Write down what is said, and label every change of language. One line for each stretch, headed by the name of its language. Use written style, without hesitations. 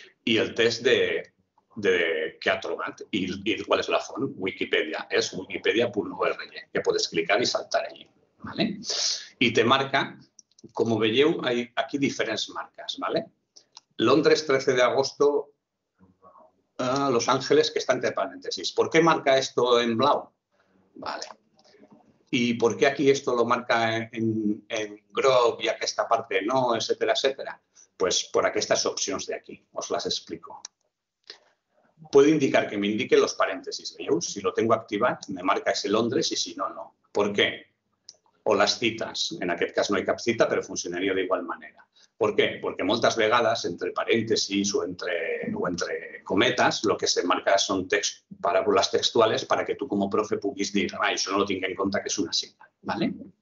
Catalan: I el text de què ha trobat i qual és la font. Wikipedia, és wikipedia.org, que pots clicar i saltar allí. ¿Vale? I te marca, com veieu, hi ha aquí diferents marques. ¿Vale? Londres, 13 d'agost, Los Ángeles, que està entre parèntesis.
Spanish: ¿Por qué marca esto
Catalan: en blau?
Spanish: ¿Vale? ¿Y por qué aquí esto lo marca
Catalan: en groc
Spanish: y
Catalan: aquesta part no,
Spanish: etcètera, etcètera? Pues por
Catalan: aquestes opcions d'aquí, us les explico.
Spanish: Puedo indicar que m'indique los parèntesis.
Catalan: ¿Veieu?
Spanish: Si lo tengo activat, me marca ese Londres
Catalan: i si no, no.
Spanish: ¿Por qué?
Catalan: O les cites. En aquest cas no hi ha cap cita, però funcionaria d'igual manera. Per què? Perquè moltes vegades, entre parèntesis o entre cometes, el que se marca són paraules textuals perquè tu com a profe puguis dir que això no ho tinc en compte, que és una cita. ¿Vale?